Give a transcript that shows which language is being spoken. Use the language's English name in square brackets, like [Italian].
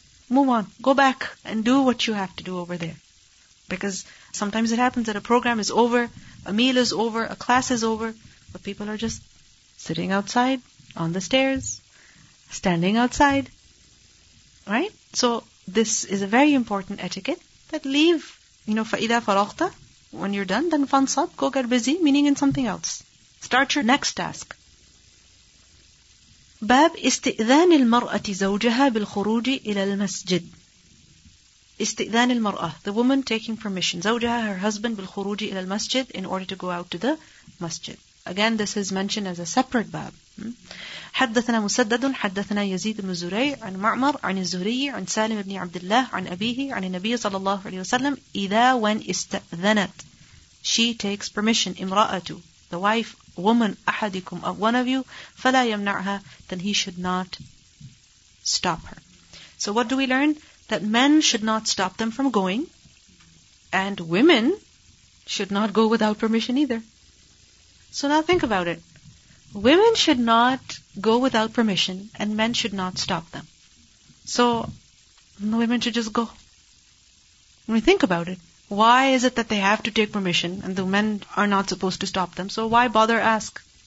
[English] Move on, go back and do what you have to do over there. Because sometimes it happens that a program is over, a meal is over, a class is over, but people are just sitting outside, on the stairs, standing outside. Right? So this is a very important etiquette, that leave, you know, [Arabic] فَإِذَا فَرَغْتَ, [English] when you're done, then [Arabic] فَانْصَبْ, [English] go get busy, meaning in something else. Start your next task. [Arabic] باب استئذان المرأة زوجها بالخروج إلى المسجد. استئذان المرأة, [English] the woman taking permission, [Arabic] زوجها, [English] her husband, [Arabic] بالخروج إلى المسجد, [English] in order to go out to the masjid. Again, this is mentioned as a separate باب. [Arabic] حدثنا مسدد حدثنا يزيد بن زريع عن معمر عن الزهري عن سالم بن عبد الله عن أبيه عن النبي صلى الله عليه وسلم إذا [English] when [Arabic] استأذنت, [English] she takes permission, [Arabic] امرأة, [English] the wife, woman, [Arabic] أحدكم, [English] of one of you, [Arabic] فلا يمنعها, [English] then he should not stop her. So what do we learn? That men should not stop them from going, and women should not go without permission either. So now think about it. Women should not go without permission, and men should not stop them. So the women should just go. When we think about it, why is it that they have to take permission and the men are not supposed to stop them? So why bother ask?